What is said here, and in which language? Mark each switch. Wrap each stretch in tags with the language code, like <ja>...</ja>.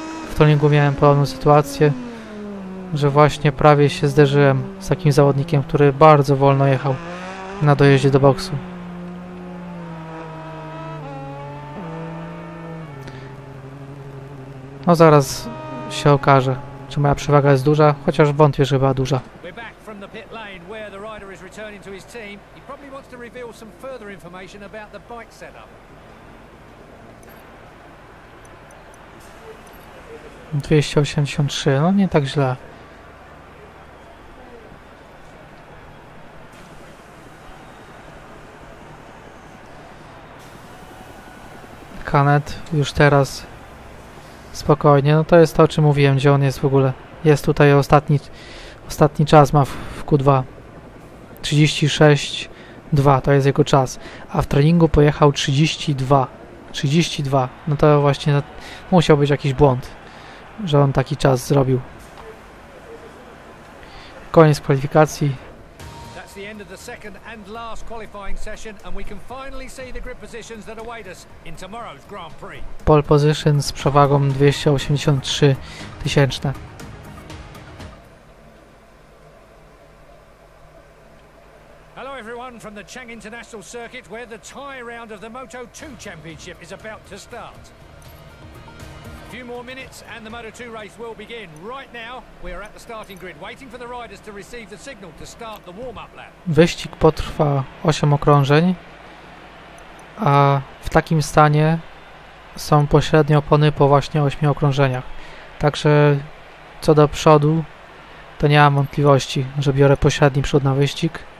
<pl>W treningu miałem podobną sytuację, że właśnie prawie się zderzyłem z takim zawodnikiem, który bardzo wolno jechał na dojeździe do boksu. No zaraz się okaże, czy moja przewaga jest duża, chociaż wątpię, że była duża.</pl> <en>Pit lane where the rider is returning to his team. He probably wants to reveal some further information about the bike setup. 283,</en> <pl>no nie tak źle. Canet już teraz spokojnie, no to jest to o czym mówiłem, gdzie on jest w ogóle. Jest tutaj ostatni czas ma w Q2. 36,2 to jest jego czas, a w treningu pojechał 32, no to właśnie musiał być jakiś błąd, że on taki czas zrobił. Koniec kwalifikacji.</pl> <en>That's the end of the second and last qualifying session and we can finally see the grid positions that await us in tomorrow's Grand Prix.</en> <pl>Pole position z przewagą 283 tysięczne.</pl> <en>From the Chang International Circuit, where the tie round of the Moto 2 Championship is about to start. A few more minutes and the Moto 2 race will begin. Right now, we are at the starting grid, waiting for the riders to receive the signal to start the warm-up lap.</en> <pl>Wyścig potrwa 8 okrążeń, a w takim stanie są pośrednie opony po właśnie 8 okrążeniach. Także co do przodu, to nie mam wątpliwości, że biorę pośredni przód na wyścig.</pl>